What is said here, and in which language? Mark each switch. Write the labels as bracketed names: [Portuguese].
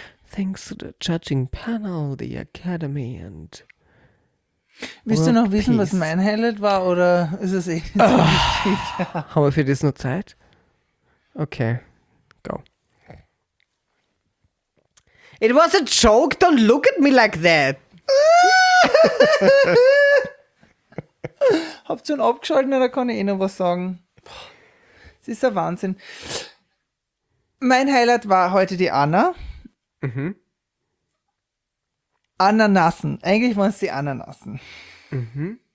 [English] Thanks to the judging panel, the academy and... [German] Willst du noch wissen, was mein Highlight war, oder ist es eh so wichtig? Haben wir für das noch Zeit? Okay. [English] It was a joke, don't look at me like that. [German] Habt ihr schon abgeschaltet, da kann ich eh noch was sagen. Es ist ein Wahnsinn. Mein Highlight war heute die Anna. Mhm. Ananassen. Eigentlich waren es die Ananassen. Mhm.